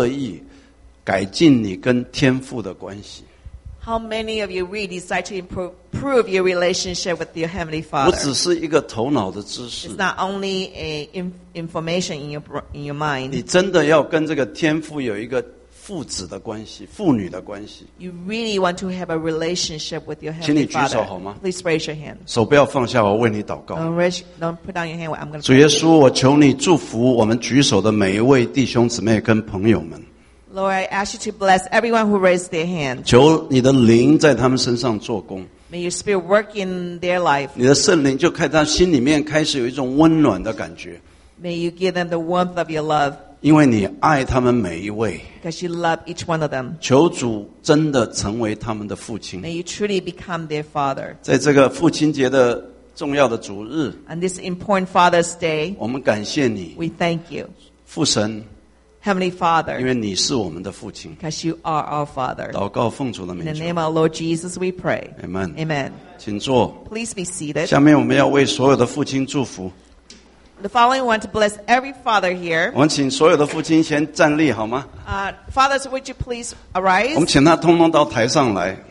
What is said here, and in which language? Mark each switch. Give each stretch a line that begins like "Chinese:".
Chinese: 我就想请问我们当中有多少人，你真的很乐意改进你跟天父的关系？
English: How many of you really decide to improve your relationship with your Heavenly Father? It's not only information in your mind.
Chinese: 你真的要跟这个天父有一个父子的关系，父女的关系。
English: You really want to have a relationship with your Heavenly Father.
Chinese: 请你举手好吗?
English: Please raise your hand.
Chinese: 手不要放下，我为你祷告。
English: Don't put down your hand. I'm going to pray.
Chinese: 主耶稣，我求你祝福我们举手的每一位弟兄姊妹跟朋友们。
English: Lord, I ask you to bless everyone who raised their hand.
Chinese: 求你的灵在他们身上做工。
English: May your spirit work in their life.
Chinese: 你的圣灵就开始有一种温暖的感觉。
English: May you give them the warmth of your love.
Chinese: 因为你爱他们每一位。
English: Because you love each one of them.
Chinese: 求主真的成为他们的父亲。
English: May you truly become their father.
Chinese: 在这个父亲节的 重要的主日,
English: on this important Father's Day,
Chinese: 我们感谢你,
English: we thank you.
Chinese: 父神,
English: Heavenly Father,
Chinese: 因为你是我们的父亲,
English: because you are our Father.
Chinese: 祷告奉主的名求,
English: in the name of our Lord Jesus, we pray. Amen. Amen.
Chinese: 请坐,
English: please be seated.
Chinese: 下面我们要为所有的父亲祝福。
English: The following one to bless every father here.
Chinese: 我们请所有的父亲先站立好吗?
English: Fathers, would you please arise?
Chinese: 我们请他通通到台上来。